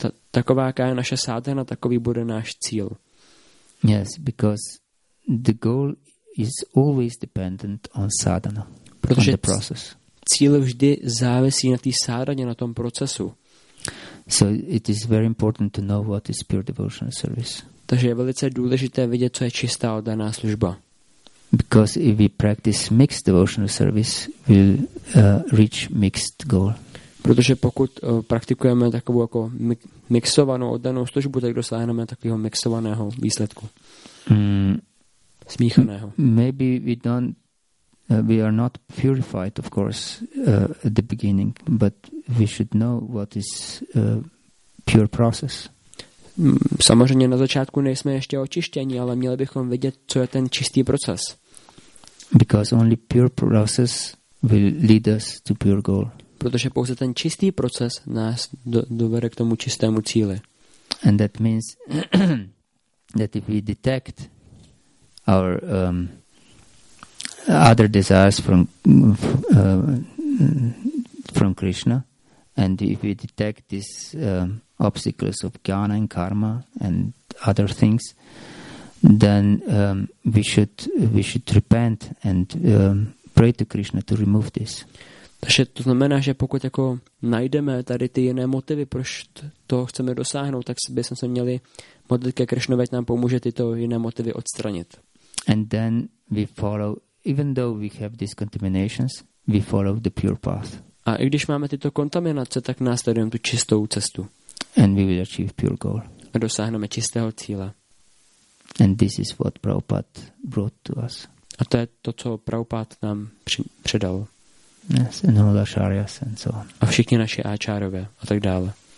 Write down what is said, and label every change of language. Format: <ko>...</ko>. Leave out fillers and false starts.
<cs>Taková, jaká je naše sádhana, takový bude náš cíl.</cs> <en>Yes, because the goal is always dependent on sadhana.</en> <cs>Protože</cs> <en>the process.</en> <cs>Cíl vždy závisí na té sádhaně, na tom procesu.</cs> <en>So it is very important to know what is pure devotional service.</en> <cs>Takže je velice důležité vidět, co je čistá oddaná služba.</cs> <en>Because if we practice mixed devotional service, we'll reach mixed goal.</en> <cs>Protože pokud praktikujeme takovou jako mixovanou oddanou službu, tak dosáhneme takového mixovaného výsledku. Smíchaného.</cs> <en>Maybe we are not purified, of course, at the beginning, but we should know what is pure process.</en> <cs>Samozřejmě na začátku nejsme ještě očištění, ale měli bychom vidět, co je ten čistý proces.</cs> <en>Because only pure process will lead us to pure goal.</en> <cs>Protože pouze ten čistý proces nás dovede k tomu čistému cíli.</cs> <en>And that means that if we detect our other desires from Krishna, and if we detect these obstacles of jnana and karma and other things, then we should repent and pray to Krishna to remove this.</en> <cs>Takže to znamená, že pokud jako najdeme tady ty jiné motivy, proč to chceme dosáhnout, tak bychom se měli modlit ke Krišnovi, ať nám pomůže tyto jiné motivy odstranit.</cs> <en>And then we follow, even though we have these contaminations, we follow the pure path.</en> <cs>A i když máme tyto kontaminace, tak následujeme tu čistou cestu.</cs> <en>And we will achieve pure goal.</en> <cs>A dosáhneme čistého cíle.</cs> <en>And this is what Prabhupada brought to us.</en> <cs>A to je to, co Prabhupada nám předal.</cs> <en>Yes, and all acharyas and so on.</en> <cs>A všichni naši áčárové a tak dále.</cs>